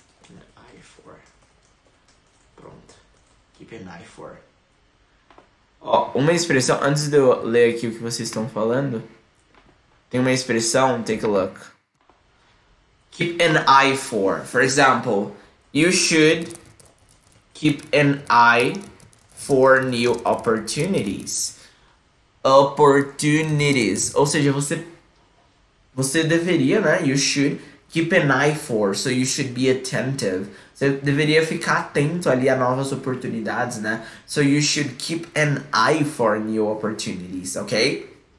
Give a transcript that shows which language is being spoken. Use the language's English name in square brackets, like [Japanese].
[English] An eye for. Pronto. Keep an eye for. [Portuguese] Ó, uma expressão, antes de eu ler aqui o que vocês estão falando, tem uma expressão, [English] take a look. Keep an eye for. For example, you should keep an eye for new opportunities. [Portuguese] Opportunities. Ou seja, você deveria, né? [English] You should keep an eye for. So you should be attentive. [Portuguese] Você deveria ficar atento ali a novas oportunidades, né? [English] So you should keep an eye for new opportunities, ok?